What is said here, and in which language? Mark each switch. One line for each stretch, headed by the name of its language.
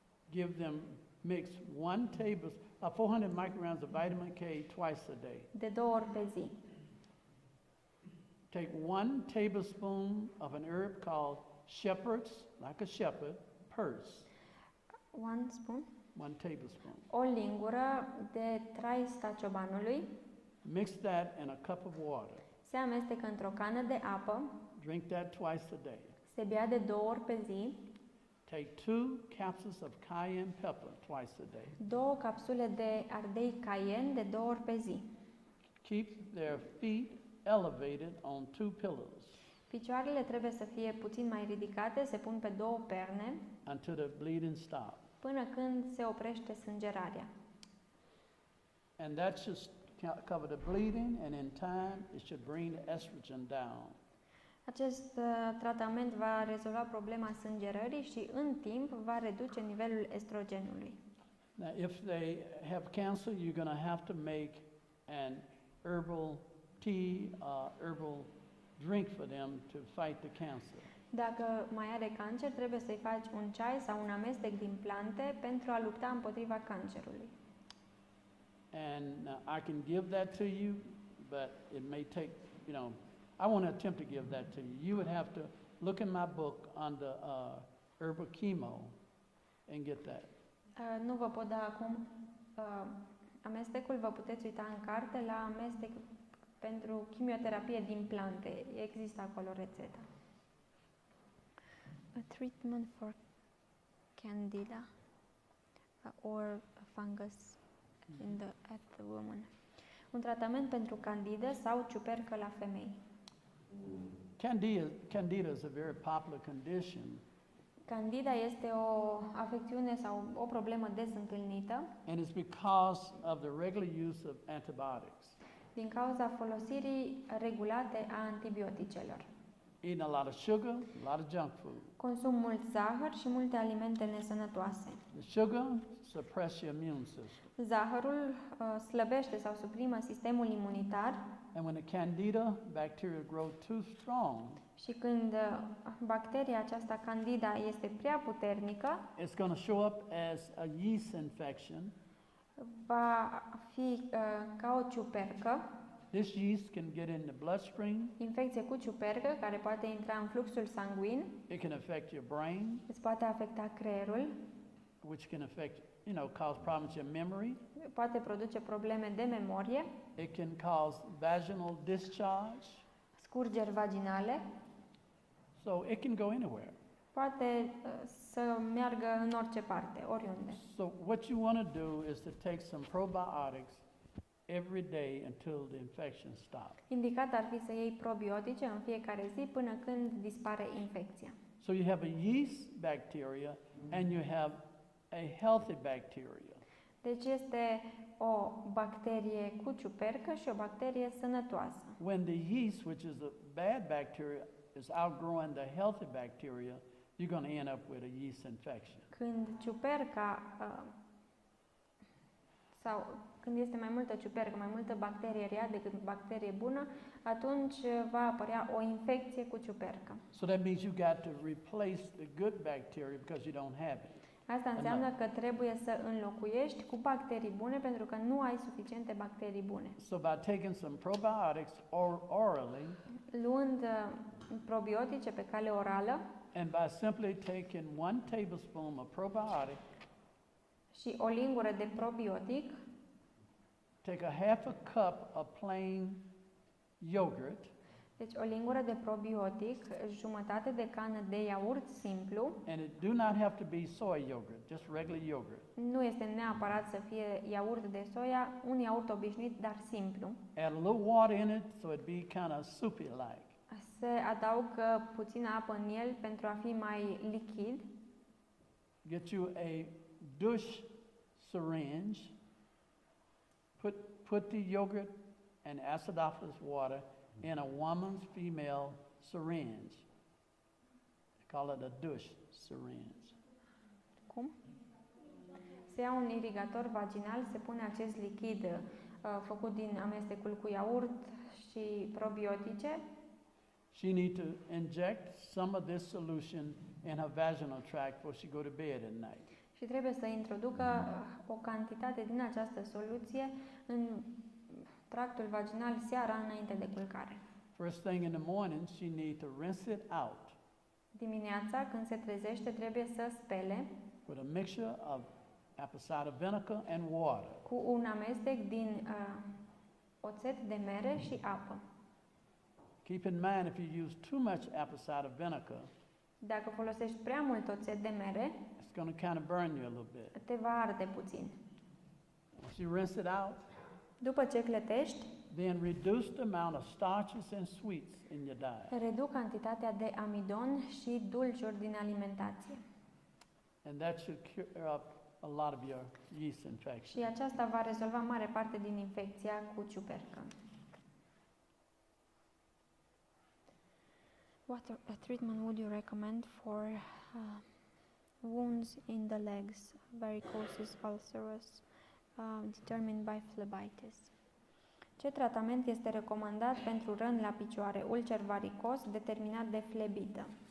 English: Give them, mix 1 tablespoon, 400 micrograms of vitamin K twice a day.
Romanian: De două ori pe zi.
English: Take 1 tablespoon of an herb called shepherd's, like a shepherd, purse. 1 spoon? 1 tablespoon.
Romanian: O lingură de traista ciobanului.
English: Mix that in a cup of water.
Romanian: Se amestecă într-o cană de apă.
English: Drink that twice a day.
Romanian: Se bea de două ori pe zi.
English: Take 2 capsules of cayenne pepper twice a day.
Romanian: Două capsule de ardei cayenne de două ori pe zi.
English: Keep their feet elevated on 2 pillows.
Romanian: Picioarele trebuie să fie puțin mai ridicate, se pun pe două perne.
English: Until the bleeding stops.
Romanian: Până când se oprește sângerarea.
English: And that should cover the bleeding and in time it should bring the estrogen down.
Romanian: Acest tratament va rezolva problema sângerării și în timp va reduce nivelul estrogenului.
English: Now, if they have cancer, you're going to have to make an herbal tea, herbal drink for them to fight the cancer.
Romanian: Dacă mai are cancer, trebuie să-i faci un ceai sau un amestec din plante pentru a lupta împotriva cancerului.
English: And I can give that to you, but it may take, you know, I won't attempt to give that to you. You would have to look in my book under herbal chemo and get that.
Romanian: Nu vă pot da acum amestecul, vă puteți uita în carte la amestec pentru chimioterapie din plante. Există acolo rețeta.
English: A treatment for candida or a fungus in the at the woman.
Romanian: Un tratament pentru candida sau ciupercă la femei.
English: Candida is a very popular condition.
Romanian: Candida este o afecțiune sau o problemă des întâlnită.
English: And it's because of the regular use of antibiotics.
Romanian: Din cauza folosirii regulate a antibioticelor.
English: Eating a lot of sugar, a lot of junk food.
Romanian: Consum mult zahăr și multe alimente nesănătoase.
English: The sugar suppresses your immune system.
Romanian: Zahărul slăbește sau suprimă sistemul imunitar.
English: And when the candida bacteria grow too strong,
Romanian: și când bacteria aceasta candida este prea puternică,
English: it's going to show up as a yeast infection.
Romanian: Va fi ca o ciupercă.
English: This yeast can get in the bloodstream.
Romanian: Infecție cu ciupercă care poate intra în fluxul sanguin.
English: It can affect your brain.
Romanian: Îți poate afecta creierul.
English: Which can affect, you know, cause problems in memory.
Romanian: Poate produce probleme de memorie.
English: It can cause vaginal discharge.
Romanian: Scurgeri vaginale.
English: So it can go anywhere.
Romanian: Poate să meargă în orice parte, oriunde.
English: So what you want to do is to take some probiotics every day until the infection stops.
Romanian: Indicat ar fi să iei probiotice în fiecare zi până când dispare infecția.
English: So you have a yeast bacteria and you have a healthy bacteria.
Romanian: Deci este o bacterie cu ciupercă și o bacterie sănătoasă.
English: When the yeast, which is a bad bacteria, is outgrowing the healthy bacteria, you're going to end up with a yeast infection.
Romanian: Când ciuperca sau când este mai multă ciupercă, mai multă bacterie rea decât bacterie bună, atunci va apărea o infecție cu ciupercă.
English: So that means you got to replace the good bacteria because you don't have it.
Romanian: Asta înseamnă că trebuie să înlocuiești cu bacterii bune pentru că nu ai suficiente bacterii bune.
English: So by taking some probiotics orally,
Romanian: luând probiotice pe cale orală,
English: and by simply taking 1 tablespoon of probiotic,
Romanian: și o lingură de probiotic,
English: take a half a cup of plain yogurt.
Romanian: Deci o lingură de probiotic, jumătate de cană de iaurt simplu.
English: And it do not have to be soy yogurt, just regular yogurt.
Romanian: Nu este neapărat să fie iaurt de soia, un iaurt obișnuit, dar simplu.
English: Add a little water in it so it be kind of soupy like.
Romanian: Se adaugă puțină apă în el pentru a fi mai lichid.
English: Get you a douche syringe. Put the yogurt and acidophilus water in a woman's female syringe. call it a douche syringe.
Romanian: Cum? Se ia un irigator vaginal, se pune acest lichid făcut din amestecul cu iaurt și probiotice.
English: She need to inject some of this solution in her vaginal tract before she go to bed at night.
Romanian: Și trebuie să introducă o cantitate din această soluție în tractul vaginal seara înainte de culcare.
English: First thing in the morning, she need to rinse it out.
Romanian: Dimineața, când se trezește, trebuie să spele.
English: With a mixture of apple cider vinegar and water.
Romanian: Cu un amestec din oțet de mere și apă.
English: Keep in mind if you use too much apple cider vinegar.
Romanian: Dacă folosești prea mult oțet de mere,
English: it's going to kind of burn you a little bit.
Romanian: Te va arde puțin.
English: She rinse it out.
Romanian: După ce clătești,
English: then reduce the amount of starches and sweets in your diet.
Romanian: Reduc cantitatea de amidon și dulciuri din alimentație.
English: And that should cure up a lot of your yeast infection.
Romanian: Și aceasta va rezolva mare parte din infecția cu ciupercă.
English: What a treatment would you recommend for wounds in the legs, varicosis, ulcerus, determined by phlebitis?
Romanian: Ce tratament este recomandat pentru răni la picioare, ulcer varicos, determinat de flebită?